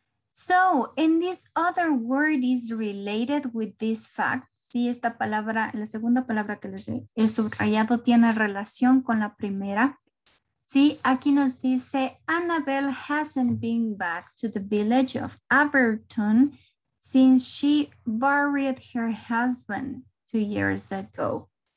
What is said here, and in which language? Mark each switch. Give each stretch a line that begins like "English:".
English: So, and this other word is related with this fact.
Spanish: Sí, esta palabra, la segunda palabra que les he subrayado tiene relación con la primera. Sí, aquí nos dice,
English: Annabel hasn't been back to the village of Aberton since she buried her husband 2 years ago.